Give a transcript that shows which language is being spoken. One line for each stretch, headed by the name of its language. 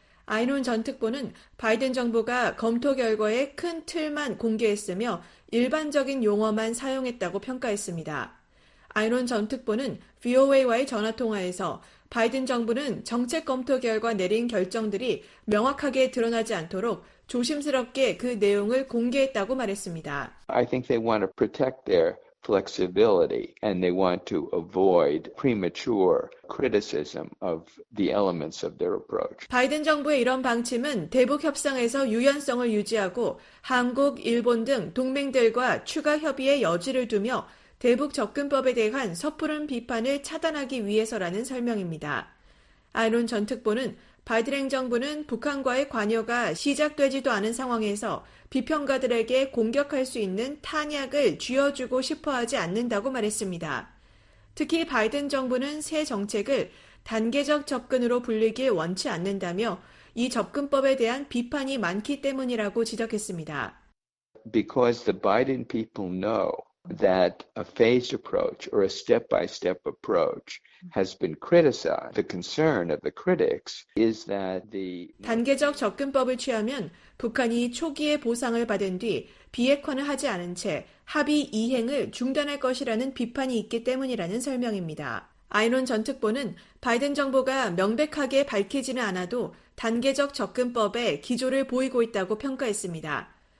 Korean: 아이논 전 특보는 바이든 정부가 검토 결과의 큰 틀만 공개했으며 일반적인 용어만 사용했다고 평가했습니다. 아이논 전 특보는 VOA와의 전화통화에서 바이든 정부는 정책 검토 결과 내린 결정들이 명확하게 드러나지 않도록 조심스럽게 그 내용을 공개했다고 말했습니다.
English: I think they want to protect their flexibility and they want to avoid premature criticism of the elements of their approach.
Korean: 바이든 정부의 이런 방침은 대북 협상에서 유연성을 유지하고 한국, 일본 등 동맹들과 추가 협의의 여지를 두며 대북 접근법에 대한 섣부른 비판을 차단하기 위해서라는 설명입니다. 아이론 전 특보는 바이든 행정부는 북한과의 관여가 시작되지도 않은 상황에서 비평가들에게 공격할 수 있는 탄약을 쥐어주고 싶어하지 않는다고 말했습니다. 특히 바이든 정부는 새 정책을 단계적 접근으로 불리길 원치 않는다며 이 접근법에 대한 비판이 많기 때문이라고 지적했습니다.
English: Because the Biden people know that a phased approach or a step-by-step approach has been criticized. The concern of the critics is that the
Korean: 단계적 접근법을 취하면 북한이 초기에 보상을 받은 뒤 비핵화는 하지 않은 채 합의 이행을 중단할 것이라는 비판이 있기 때문이라는 설명입니다. 아이론 전 특보는 바이든 정부가 명백하게 밝히지는 않아도 단계적 접근법의 기조를 보이고 있다고 평가했습니다.